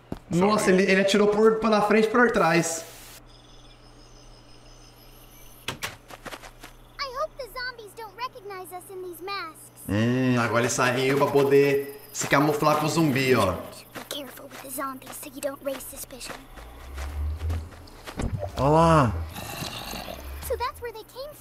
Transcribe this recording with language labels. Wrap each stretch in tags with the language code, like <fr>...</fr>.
<pt>Nossa, ele atirou por pela frente e por trás.</pt> <en>I hope the zombies don't recognize us in these masks.</en> <pt>Agora ele saiu pra poder se camuflar com o zumbi, ó.</pt> <en>Be careful with the zombies so you don't raise suspicion.</en> <pt>Olha lá.</pt> <en>So that's where they came from.</en>